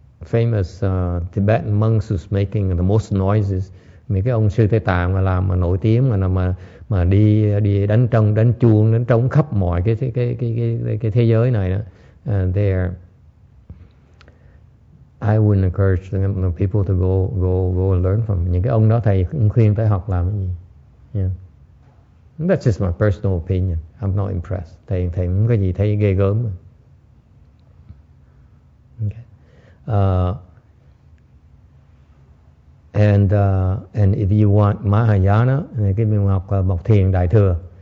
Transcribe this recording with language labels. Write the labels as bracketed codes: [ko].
[en] Whereas the more famous Tibetan monks who's making the most noises, [vi] mấy cái ông sư Tây Tạng mà làm mà nổi tiếng mà đi đánh trống, đánh chuông, đánh trống khắp mọi cái thế giới này đó. [en] And there, I wouldn't encourage the people to go and learn from [vi] những cái ông đó. Thầy cũng khuyên tới học làm cái gì. [en] Yeah. That's just my personal opinion. I'm not impressed. [vi] Thầy cũng có gì thấy ghê gớm. [en] Okay. And if you want Mahayana, give me [vi] một thiền đại thừa.